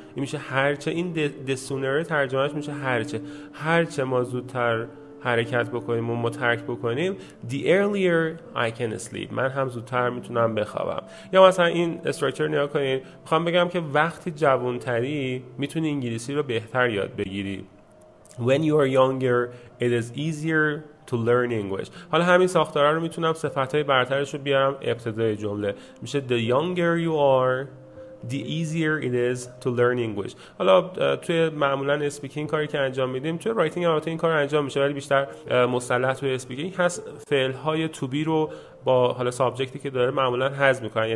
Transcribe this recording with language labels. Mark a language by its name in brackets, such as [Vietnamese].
[Persian] این میشه هرچه، این [English] the sooner [Persian] ترجمهش میشه هرچه، هرچه ما زودتر حرکت بکنیم و ما ترک بکنیم، [English] the earlier I can sleep، [Persian] من هم زودتر میتونم بخوابم. یا مثلا این استراکچر نیا کنین، میخوام بگم که وقتی جوانتری میتونی انگلیسی رو بهتر یاد بگیری. [English] When you are younger, it is easier to learn English. [Persian] حالا همین ساختاره رو میتونم صفتهای برترش رو بیارم ابتدای جمله. میشه [English] The younger you are, the easier it is to learn English. [Persian] حالا توی معمولا اسپیکینگ کاری که انجام میدیم، توی رایتینگ هم این کار انجام میشه، ولی بیشتر مسلط توی اسپیکینگ هست، فعلهای to be رو با حالا سابجکتی که داره معمولا هضم میکنن.